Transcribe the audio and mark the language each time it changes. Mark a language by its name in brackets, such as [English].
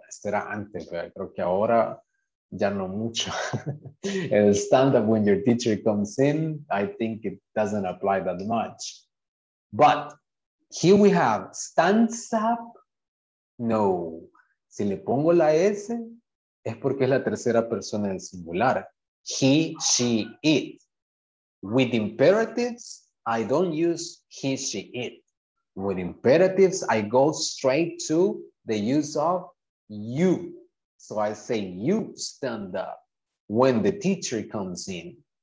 [Spanish] Este era antes, pero creo que ahora ya no mucho. [English] El stand up when your teacher comes in, I think it doesn't apply that much. But here we have stands up. No. [Spanish] Si le pongo la S, es porque es la tercera persona en singular. [English] He, she, it. With imperatives, I don't use he, she, it. With imperatives, I go straight to the use of you. So I say, you stand up when the teacher comes in.